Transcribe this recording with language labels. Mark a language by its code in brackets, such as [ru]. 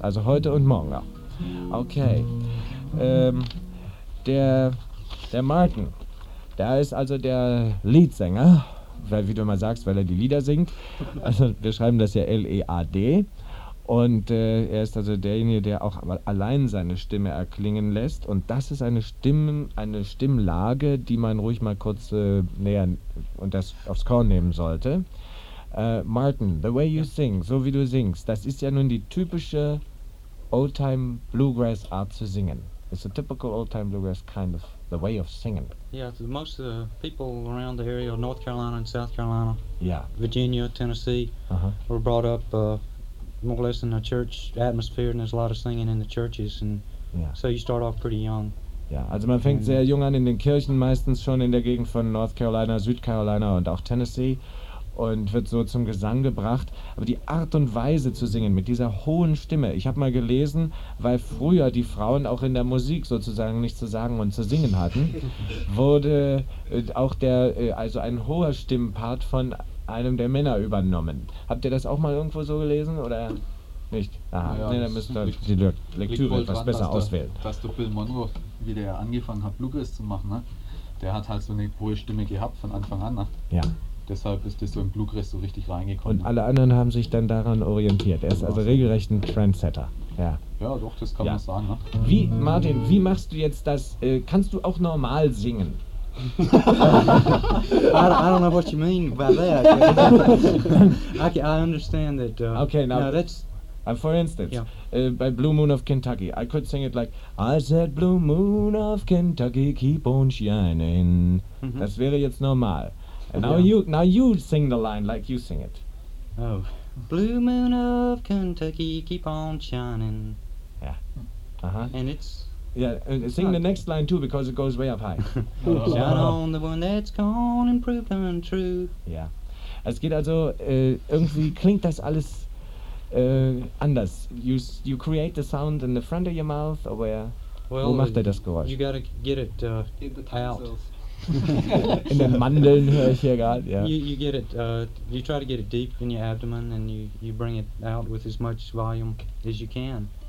[de] Also heute und morgen auch. Okay, der Martin, der ist also der Leadsänger, weil, wie du immer sagst, weil er die Lieder singt, also wir schreiben das ja L-E-A-D und er ist also derjenige, der auch allein seine Stimme erklingen lässt und das ist eine Stimmlage, die man ruhig mal kurz näher und das aufs Korn nehmen sollte. Martin, [en] the way you sing, [de] so wie du singst, das ist ja nun die typische old-time bluegrass art zu singen. [en] It's a typical old-time bluegrass kind of the way of singing. Yeah, most of the people around the area of North Carolina and South Carolina, yeah, Virginia, Tennessee, were brought up more or less in a church atmosphere, and there's a lot of singing in the churches, and so you start off pretty young. [de] Ja, also man fängt sehr jung an in den Kirchen, meistens schon in der Gegend von North Carolina, South Carolina und auch Tennessee. und wird so zum Gesang gebracht. Aber die Art und Weise zu singen mit dieser hohen Stimme, ich habe mal gelesen, weil früher die Frauen auch in der Musik sozusagen nichts zu sagen und zu singen hatten, wurde auch der, also ein hoher Stimmpart von einem der Männer übernommen. Habt ihr das auch mal irgendwo so gelesen oder nicht? Ja, nee, dann müsst ihr die Lektüre etwas besser auswählen. Dass du Bill Monroe, wie der ja angefangen hat, Bluegrass zu machen, ne? Der hat halt so eine hohe Stimme gehabt von Anfang an. Ne? Ja. Deshalb ist das so im Bluegrass so richtig reingekommen. Und alle anderen haben sich dann daran orientiert. Er ist also regelrecht ein Trendsetter. Ja, ja doch, das kann man sagen. Ne? Wie, Martin, wie machst du jetzt das? Kannst du auch normal singen? [en] I don't know what you mean by that. I understand that. Okay, now that's for instance, by Blue Moon of Kentucky, I could sing it like I said, Blue Moon of Kentucky, keep on shining. Mm-hmm. [de] Das wäre jetzt normal. [en] And now you sing the line like you sing it. Oh, Blue Moon of Kentucky, keep on shining. Yeah. Uh-huh. And it's. Yeah, sing the next line too because it goes way up high. Shine on the one that's gone and proved untrue. Yeah. [de] Es geht also, irgendwie klingt das alles anders. [en] You create the sound in the front of your mouth or where? Well, [de] wo macht er das Geräusch? [en] You gotta get it in the tonsils. [de] In den Mandeln höre ich hier gerade, ja. [en] You get it, you try to get it deep in your abdomen and you bring it out with as much volume as you can.